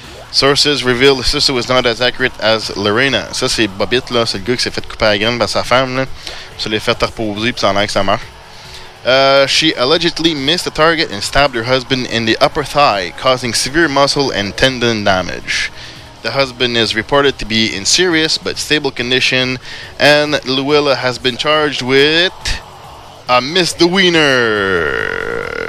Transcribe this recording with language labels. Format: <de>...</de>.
<en>Sources reveal the sister was not as accurate as Lorena.</en> <fr>Ça, c'est Bobbitt, là. C'est le gars qui s'est fait couper la graine par sa femme, là. Ça l'a fait reposer, puis ça en a que ça marche.</fr> <en>She allegedly missed the target and stabbed her husband in the upper thigh, causing severe muscle and tendon damage. The husband is reported to be in serious but stable condition, and Luella has been charged with a misdemeanor.</en>